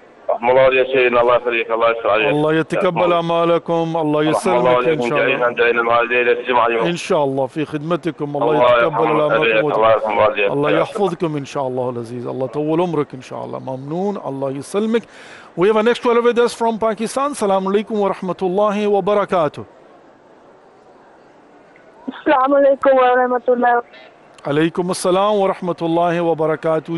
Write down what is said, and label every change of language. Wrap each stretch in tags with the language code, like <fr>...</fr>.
<ar>رحم الله يا سيدنا. الله يخليك. الله يسر عليك. الله يتقبل اعمالكم. الله يسلمك ان شاء الله. جايين المعادلين الجمعة اليوم ان شاء الله في خدمتكم. الله يتقبل اعمالكم. الله يحفظكم ان شاء الله العزيز. الله طول عمرك ان شاء الله. ممنون. الله يسلمك.</ar> <en>We have a next caller with us from Pakistan.</en> <ar>السلام عليكم ورحمة الله وبركاته. السلام عليكم ورحمة الله. عليكم السلام ورحمة الله وبركاته.</ar>